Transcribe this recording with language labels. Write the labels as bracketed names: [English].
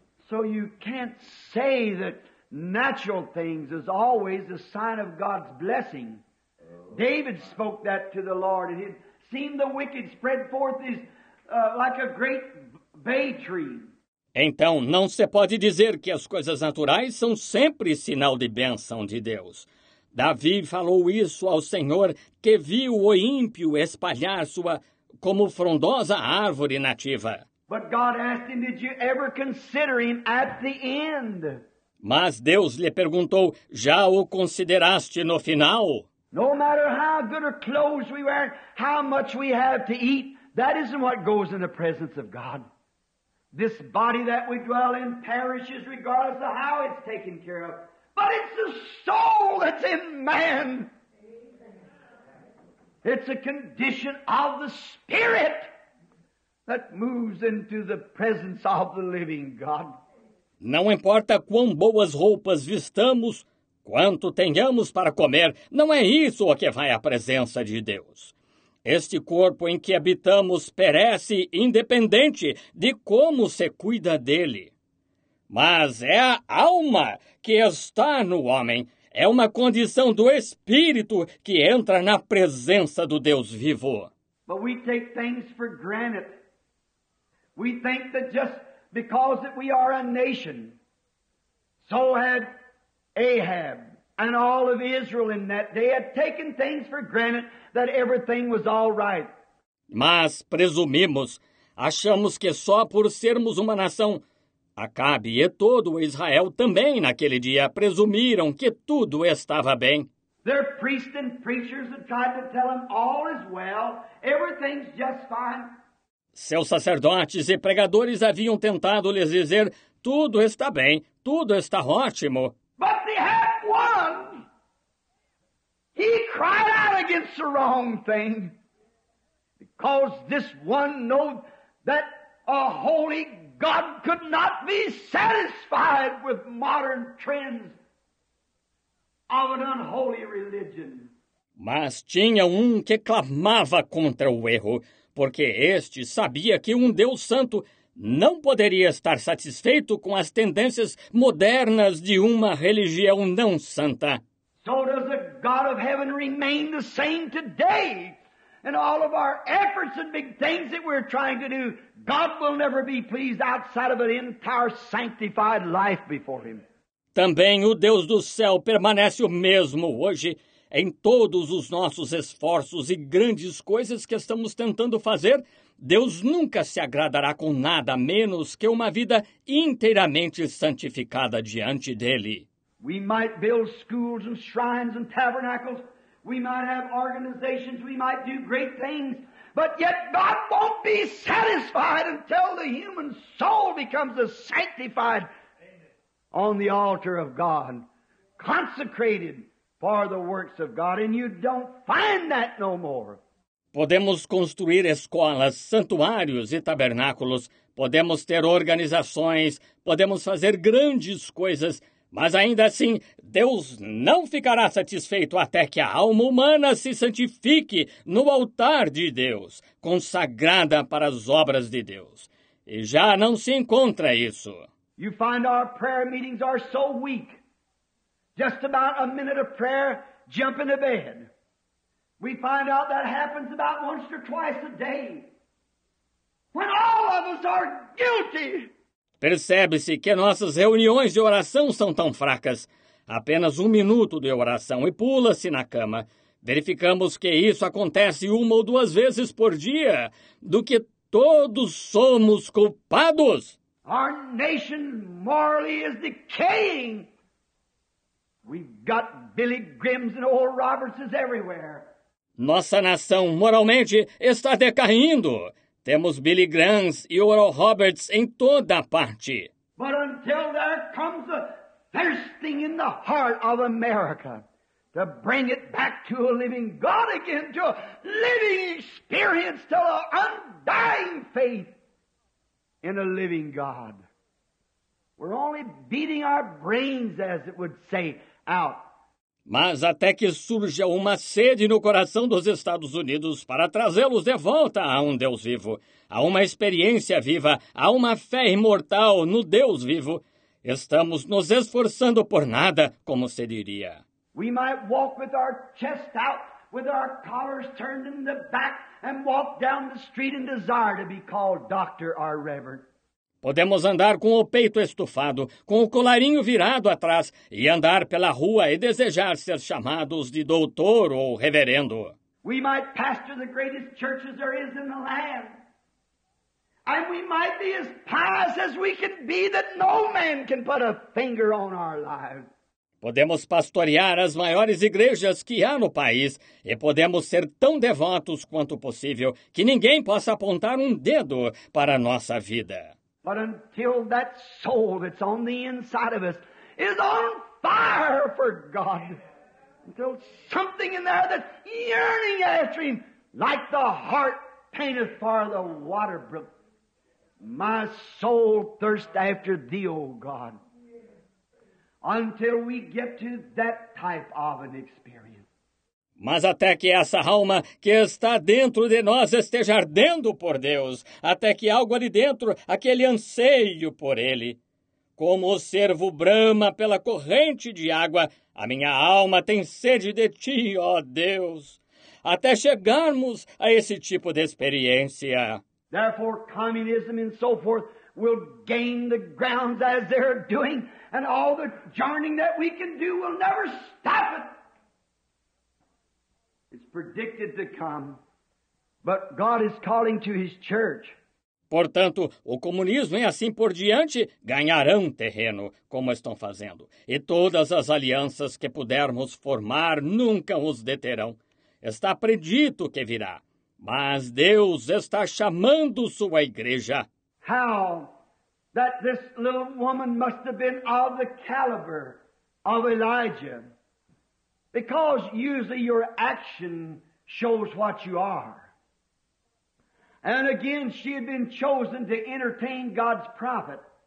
[English] So you can't say that natural things is always a sign of God's blessing. David spoke that to the Lord, and he seemed the wicked spread forth his like a great bay tree. [Portuguese] Então, não se pode dizer que as coisas naturais são sempre sinal de bênção de Deus. Davi falou isso ao Senhor, que viu o ímpio espalhar sua como frondosa árvore nativa. [English] But God asked him, did you ever consider him at the end? [Portuguese] Mas Deus lhe perguntou, já o consideraste no final? [English] No matter how good a clothes we wear, how much we have to eat, that isn't what goes in the presence of God. This body that we dwell in perishes regardless of how it's taken care of. But it's the soul that's in man. It's a condition of the spirit that moves into the presence of the living God. [Portuguese] Não importa quão boas roupas vistamos, quanto tenhamos para comer, não é isso o que vai à presença de Deus. Este corpo em que habitamos perece independente de como se cuida dele. Mas é a alma que está no homem. É uma condição do Espírito que entra na presença do Deus vivo. [English] But we take things for granted. We think that just because that we are a nation, so had Ahab and all of Israel in that day had taken things for granted that everything was all right. [Portuguese] Mas presumimos, achamos que só por sermos uma nação, Acabe e todo Israel também naquele dia presumiram que tudo estava bem. [English] Their priests and preachers had tried to tell them all is well, everything's just fine. [Portuguese] Seus sacerdotes e pregadores haviam tentado lhes dizer tudo está bem, tudo está ótimo. [English] But they had one. He cried out against the wrong thing, because this one knew that a holy God could not be satisfied with modern trends of an unholy religion. [Portuguese] Mas tinha um que clamava contra o erro, porque este sabia que um Deus santo não poderia estar satisfeito com as tendências modernas de uma religião não santa. [English] So does the God of heaven remain the same today and all of our efforts and big things that we're trying to do, God will never be pleased outside of an entire sanctified life before Him. [Portuguese] Também o Deus do céu permanece o mesmo hoje em todos os nossos esforços e grandes coisas que estamos tentando fazer. Deus nunca se agradará com nada menos que uma vida inteiramente santificada diante dele. [English] We might build schools and shrines and tabernacles. We might have organizations. We might do great things. But yet God won't be satisfied until the human soul becomes a sanctified on the altar of God, consecrated for the works of God. And you don't find that no more. [Portuguese] Podemos construir escolas, santuários e tabernáculos. Podemos ter organizações. Podemos fazer grandes coisas. Mas ainda assim, Deus não ficará satisfeito até que a alma humana se santifique no altar de Deus, consagrada para as obras de Deus. E já não se encontra isso. [English] You find our prayer meetings are so weak. Just about a minute of prayer, jump into bed. We find out that happens about once or twice a day. When all of us are guilty. [Portuguese] Percebe-se que nossas reuniões de oração são tão fracas. Apenas um minuto de oração e pula-se na cama. Verificamos que isso acontece uma ou duas vezes por dia, do que todos somos culpados. [English] Our nation morally is decaying. We've got Billy Grimm's and Oral Roberts's everywhere. [Portuguese] Nossa nação moralmente está decaindo. Temos Billy Graham e Oral Roberts em toda a parte. [English] But until there comes a thirsting in the heart of America to bring it back to a living God again, to a living experience, to an undying faith in a living God. We're only beating our brains, as it would say, out. [Portuguese] Mas até que surja uma sede no coração dos Estados Unidos para trazê-los de volta a um Deus vivo, a uma experiência viva, a uma fé imortal no Deus vivo, estamos nos esforçando por nada, como se diria. [English] We might walk with our chest out, with our collars turned in the back, and walk down the street and desire to be called Dr. or Reverend. [Portuguese] Podemos andar com o peito estufado, com o colarinho virado atrás, e andar pela rua e desejar ser chamados de doutor ou reverendo. [English] We might pastor the greatest churches there is in the land. And we might be as pious as we can be that no man can put a finger on our lives. [Portuguese] Podemos pastorear as maiores igrejas que há no país e podemos ser tão devotos quanto possível que ninguém possa apontar um dedo para a nossa vida. [English] But until that soul that's on the inside of us is on fire for God, until something in there that's yearning after Him, like the heart panteth for the water brook, my soul thirsts after Thee, O God, until we get to that type of an experience. [Portuguese] Mas até que essa alma que está dentro de nós esteja ardendo por Deus, até que algo ali dentro, aquele anseio por Ele. Como o cervo brama pela corrente de água, a minha alma tem sede de Ti, ó Deus. Até chegarmos a esse tipo de experiência. [English] Therefore, communism and so forth will gain the grounds as they're doing, and all the journeying that we can do will never stop it. It's predicted to come, but God is calling to His church. [Portuguese] Portanto, o comunismo e assim por diante ganharão terreno, como estão fazendo. E todas as alianças que pudermos formar nunca os deterão. Está predito que virá, mas Deus está chamando sua igreja. [English] How that this little woman must have been of the caliber of Elijah. Because usually your action shows what you are. And again, she had been chosen to entertain God's prophet.